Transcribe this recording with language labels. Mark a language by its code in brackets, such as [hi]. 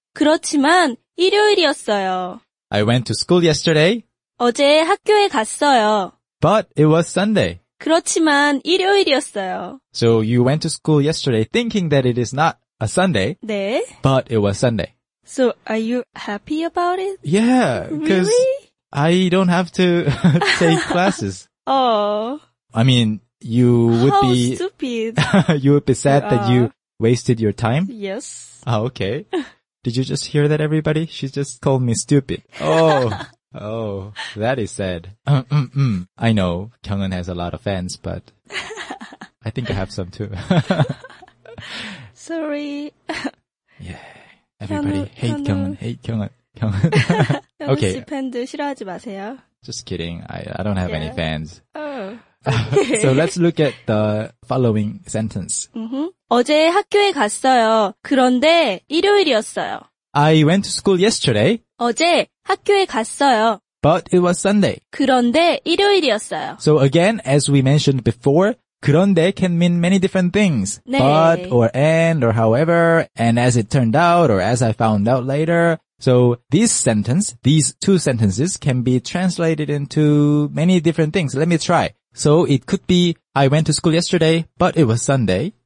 [ko] 그렇지만 일요일이었어요. [en] I went to school yesterday. [ko] 어제 학교에 갔어요. [en] But it was Sunday. [ko] 그렇지만 일요일이었어요. [en] So you went to school yesterday thinking that it is not a Sunday. [ko] 네. [en] But it was Sunday. So, are you happy about it? Yeah, because really? I don't have to take classes. Oh. I mean, you would How be... How stupid. You would be sad that you wasted your time? Yes. Oh, okay. Did you just hear that, everybody? She just called me stupid. Oh, that is sad. I know, Kyungun has a lot of fans, but I think I have some too. Sorry. Yeah. Everybody hate Kyungun, hate Kyungun, Kyungun. Okay. [ko] 팬들 싫어하지 마세요. [en] Just kidding. I don't have any fans. Oh. Okay. So let's look at the following sentence. [ko] Mm-hmm. 어제 학교에 갔어요. 그런데 일요일이었어요. [en] I went to school yesterday. [ko] 어제 학교에 갔어요. [en] But it was Sunday. [ko] 그런데 일요일이었어요. [en] So again, as we mentioned before, 그런데 can mean many different things. [ko] 네. [en] But, or and, or however, and as it turned out, or as I found out later. So these two sentences can be translated into many different things. Let me try. So it could be, I went to school yesterday, but it was Sunday.